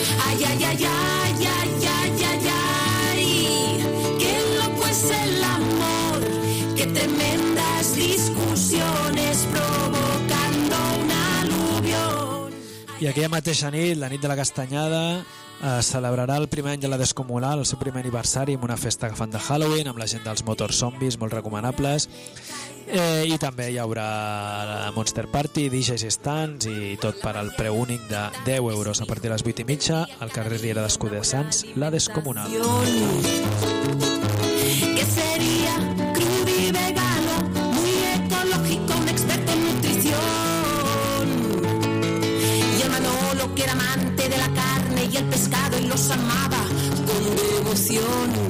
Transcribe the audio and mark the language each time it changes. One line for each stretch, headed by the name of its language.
Spanish: Ay, ay, ay, ay, ay, ay, qué loco es el amor, qué tremendas discusiones provocando un aluvión.
Catalan: I aquella mateixa nit, la nit de la Castanyada, celebrarà el primer any de la Descomunal, el seu primer aniversari, amb una festa que fan de Halloween, amb la gent dels Motor Zombies, molt recomanables. I també hi haurà la Monster Party, DJs i stands i tot per al preu únic de 10 euros a partir de les 8 i mitja al carrer Riera d'Escuder Sants, la Descomunal.
Spanish: Que seria crudi vegano, muy ecológico, un experto en nutrición. Y el Manolo que era amante de la carne y el pescado y los amaba con devoción.